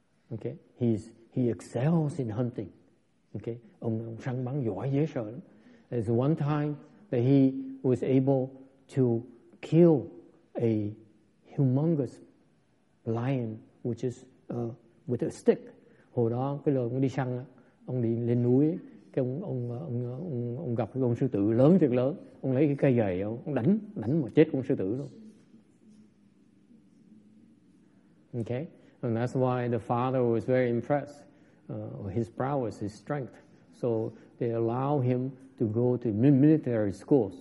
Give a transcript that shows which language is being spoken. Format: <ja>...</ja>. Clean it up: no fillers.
<vi>Okay,</vi> <en>he excels in hunting.</en> <vi>Okay, ông săn bắn giỏi dễ sợ lắm.</vi> <en>There's one time that he was able to kill a humongous lion, which is with a stick.</en> <vi>Hồi đó cái lần ông đi săn, ông đi lên núi, cái ông gặp cái con sư tử lớn thiệt lớn. Ông lấy cái cây gậy ông đánh mà chết con sư tử luôn.</vi> <en>Okay, and that's why the father was very impressed, his prowess, his strength. So they allow him to go to military schools.</en>